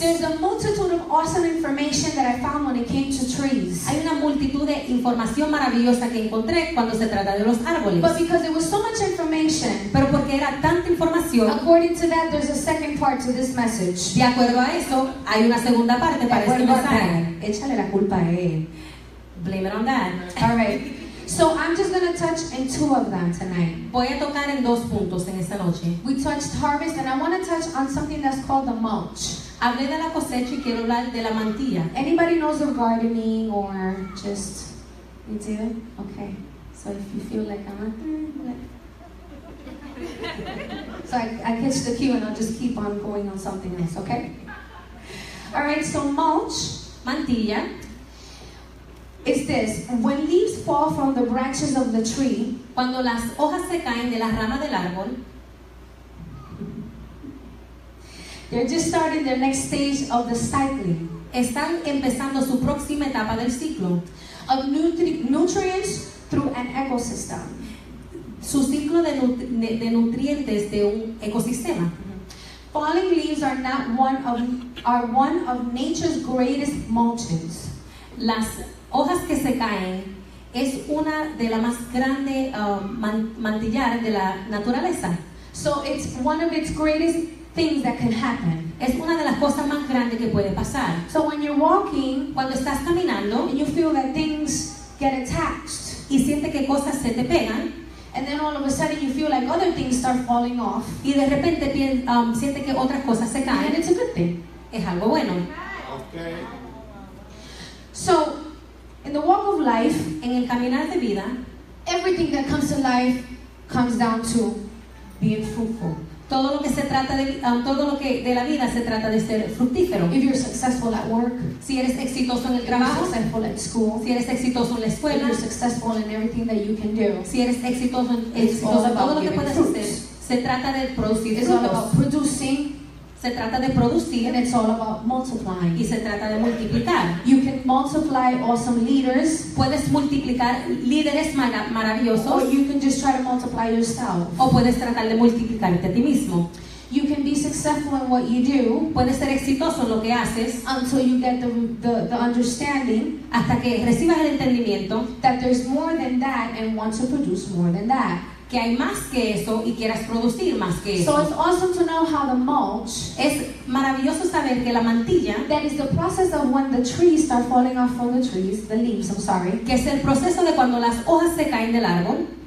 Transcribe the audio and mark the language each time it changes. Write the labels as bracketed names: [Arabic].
[English] There's a multitude of awesome information that I found when it came to trees. [Spanish] Hay una multitud de información maravillosa que encontré cuando se trata de los árboles. [English] But because it was so much information, [Spanish] pero porque era tanta información, [English] according to that, there's a second part to this message. [Spanish] De acuerdo a eso, hay una segunda parte para este mensaje. Échale la culpa a él. [English] Blame it on that. All right. So I'm just going to touch in two of them tonight. [Spanish] Voy a tocar en dos puntos en esta noche. [English] We touched harvest, and I want to touch on something that's called the mulch. [Spanish] Hablé de la cosecha y quiero hablar de la mantilla. [English] Anybody knows of gardening or just, you do it? Okay. So if you feel like I'm not there, so I catch the cue and I'll just keep on going on something else, okay? All right, so mulch, [Spanish] mantilla. [English] It's this: when leaves fall from the branches of the tree, [Spanish] cuando las hojas se caen de las ramas del árbol, [English] they're just starting their next stage of the cycling. [Spanish] Están empezando su próxima etapa del ciclo [English] of nutrients through an ecosystem. [Spanish] Su ciclo de nutrientes de un ecosistema. [English] Falling leaves are one of nature's greatest mulches. [Spanish] Las hojas que se caen es una de las más grandes mantillar de la naturaleza. [English] So it's one of its greatest things that can happen. [Spanish] Es una de las cosas más grandes que puede pasar. [English] So when you're walking, [Spanish] cuando estás caminando, [English] and you feel that things get attached, [Spanish] y sientes que cosas se te pegan, [English] and then all of a sudden you feel like other things start falling off, [Spanish] y de repente sientes que otras cosas se caen, [English] and it's a good thing. [Spanish] Es algo bueno. [English] Okay. So in the walk of life, [Spanish] en el caminar de vida, [English] everything that comes to life comes down to being fruitful. [Spanish] Todo lo que se trata de todo lo que de la vida se trata de ser fructífero. [English] If you're successful at work, [Spanish] si eres exitoso en el trabajo, [English] successful at school, [Spanish] si eres exitoso en la escuela, [English] if you're successful in everything that you can do, [Spanish] si eres exitoso en todo lo que puedes hacer, se trata de producir. [English] It's all about producing. [Spanish] Se trata de producir, [English] and it's all about multiplying. [Spanish] Y se trata de multiplicar. [English] You can multiply awesome leaders. [Spanish] Puedes multiplicar líderes maravillosos. [English] Or you can just try to multiply yourself. [Spanish] O puedes tratar de multiplicarte a ti mismo. [English] You can be successful in what you do. [Spanish] Puedes ser exitoso en lo que haces. [English] Until you get the understanding. [Spanish] Hasta que recibas el entendimiento. [English] That there's more than that and want to produce more than that. [Spanish] Que hay más que eso y quieras producir más que eso. [English] So it's awesome to know how the mulch, [Spanish] es maravilloso saber que la mantilla, [English] that is the process of when the trees start falling off from the trees, the leaves, I'm sorry, [Spanish] que es el proceso de cuando las hojas se caen del árbol,